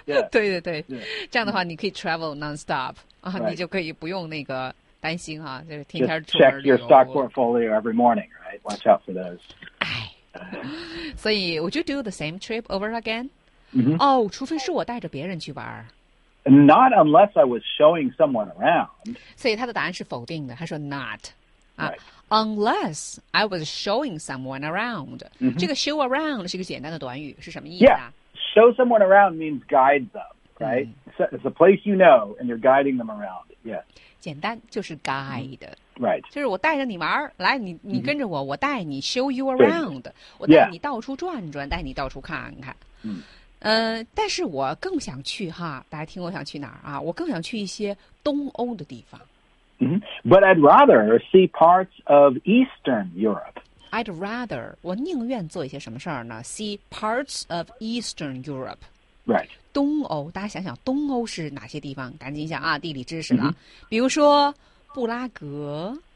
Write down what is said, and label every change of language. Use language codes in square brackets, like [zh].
[en] Yeah. [zh] 对对对，这样的话你可以 [en] travel nonstop [zh] 啊，你就可以不用那个担心哈，就是天天出门旅游。 [en] Check your stock portfolio every morning, right? Watch out for those. [zh] 所以 [en] would you do the same trip over again? [zh] 除非是我带着别人去玩。 [en] Not unless I was showing someone around. [zh] 所以他的答案是否定的，他说 not. [en] Unless I was showing someone around. [zh] 这个 show around 是一个简单的短语，是什么意思啊？ [en] Yeah, show someone around means guide them, right? So it's a place you know and you're guiding them around. Yeah. [zh] 简单就是 guide. [en] Right. [zh] 就是我带着你玩，来，你跟着我，我带你 [en] show you around. [zh] 我带你到处转转，带你到处看看。但是我更想去哈，大家听我想去哪儿啊？我更想去一些东欧的地方。 [en] But I'd rather see parts of Eastern Europe. I'd rather, [zh] 我宁愿做一些什么事儿呢? [en] See parts of Eastern Europe. Right. [zh] 东欧,大家想想东欧是哪些地方?赶紧想啊,地理知识了。比如说,布拉格。